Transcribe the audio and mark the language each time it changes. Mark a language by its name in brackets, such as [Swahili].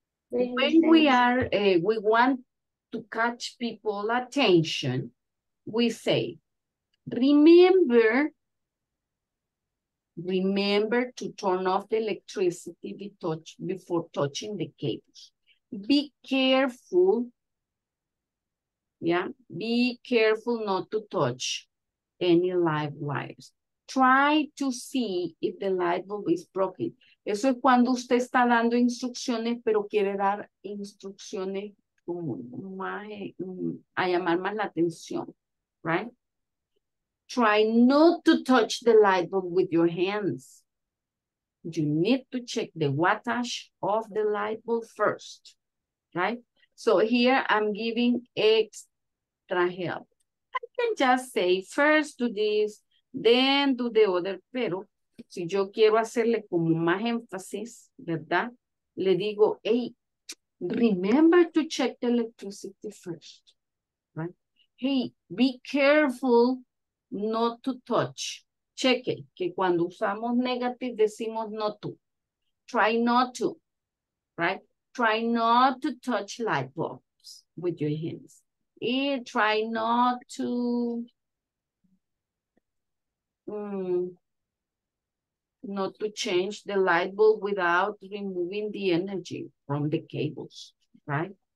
[English] When we are, we want to catch people's attention, we say, remember to turn off the electricity before touching the cables. Be careful, yeah? Be careful not to touch any live wires. Try to see if the light bulb is broken. [Spanish] Eso es cuando usted está dando instrucciones, pero quiere dar instrucciones a llamar más la atención, right? [English] Try not to touch the light bulb with your hands. You need to check the wattage of the light bulb first, right? So here I'm giving extra help. I can just say first do this, then do the other, pero si yo quiero hacerle como más énfasis, ¿verdad? Le digo, hey, remember to check the electricity first, right? Hey, be careful not to touch. [Spanish] Cheque, que cuando usamos negative decimos no to. [English] Try not to, right? Try not to touch light bulbs with your hands. And try not to... not to change the light bulb without removing the energy from the cables, right?